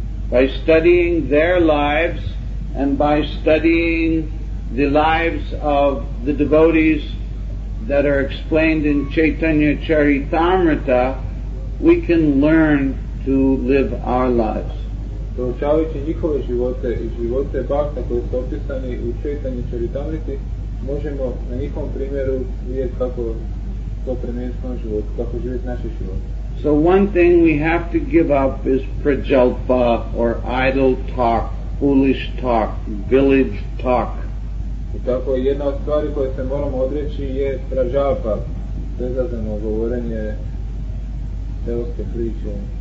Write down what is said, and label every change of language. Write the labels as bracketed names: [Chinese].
[English] By studying their lives, and by studying the lives of the devotees that are explained in Chaitanya Charitamrita, we can learn to live our lives. [Croatian] Proučavajući njihove živote i živote bhakta koji su opisani u Čaitanji Čaritamriti, možemo na njihovom primjeru vidjeti kako to primjeriti na život, kako živjeti naše živote. [English] So one thing we have to give up is prajalpa or idle talk, foolish talk, village talk. [Croatian] I tako jedna od stvari koje se moramo odreći je prajalpa, bezazeno govorenje teoske priče.